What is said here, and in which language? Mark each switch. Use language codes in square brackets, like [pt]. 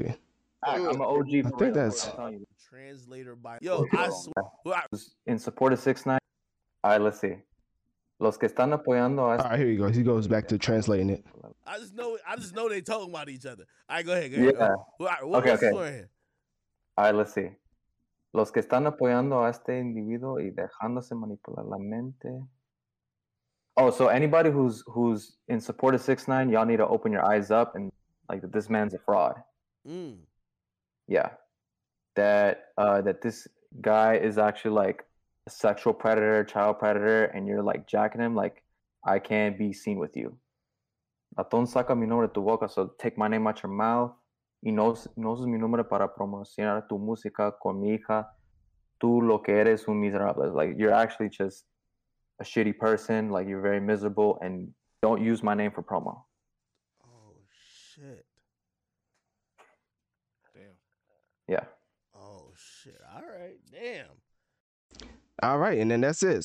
[en] Right, I'm an OG. I think that's translator by. Yo, I swear. In support of 6ix9ine. All right, let's see. [es] Los que están apoyando. [en] All right, here you go. He goes back to translating it. I just know they talking about each other. All right, go ahead. All right, let's see. [es] Los que están apoyando a este individuo y dejándose manipular la mente. [en] Oh, so anybody who's in support of 6ix9ine, y'all need to open your eyes up and. Like that, this man's a fraud. Mm. Yeah, that this guy is actually like a sexual predator, child predator, and you're like jacking him. Like, I can't be seen with you. [es] Atón saca mi nombre de tu boca. [en] So take my name out your mouth. [es] Y no uses mi nombre para promocionar tu música con mi hija. Tú lo que eres un miserable. [en] Like, you're actually just a shitty person. Like, you're very miserable, and don't use my name for promo. Shit. Damn. Yeah. Oh, shit. All right. Damn. All right. And then that's it.